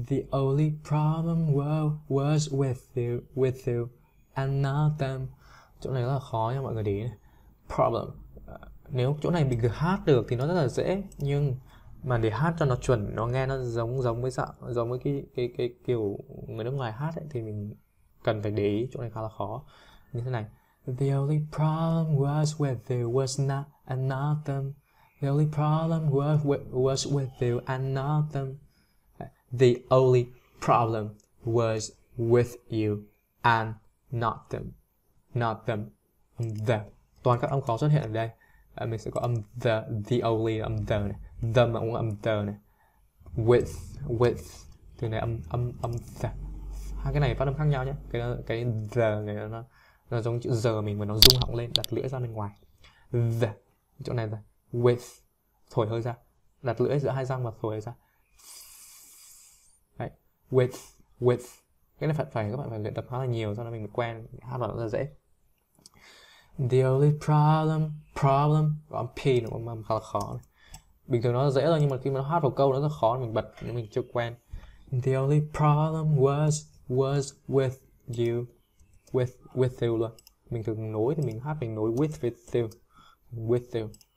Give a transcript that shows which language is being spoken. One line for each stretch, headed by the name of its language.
English: only problem was with you and not them.
Vietnamese: Chỗ này rất là khó nha mọi người, đi problem. Nếu chỗ này mình được hát được thì nó rất là dễ, nhưng mà để hát cho nó chuẩn, nó nghe nó giống giống với dạng, giống với cái kiểu người nước ngoài hát ấy, thì mình cần phải để ý chỗ này khá là khó. Như thế này:
English: The only problem was with you was not and not them. The only problem was with you and not them. The only problem was with you and not them. Not them. The.
Vietnamese: Toàn các âm khó xuất hiện ở đây. Mình sẽ có âm the only, âm the này. The mà cũng âm the này. With từ này âm the. Hai cái này phát âm khác nhau nhé. Cái the này nó giống chữ giờ mình mà nó rung họng lên, đặt lưỡi ra bên ngoài. The chỗ này là with, thổi hơi ra, đặt lưỡi giữa hai răng và thổi hơi ra. Đấy. With cái này phải các bạn phải luyện tập khá là nhiều, sau đó mình mới quen hát vào nó rất là dễ.
English: The only problem
Vietnamese: âm p nó cũng khá là khó này. Bình thường nó dễ rồi, nhưng mà khi mà nó hát vào câu nó rất khó, mình bật nhưng mình chưa quen.
English: The only problem was with you, with you
Vietnamese: luôn. Mình thường nối thì mình hát mình nối
English: with you.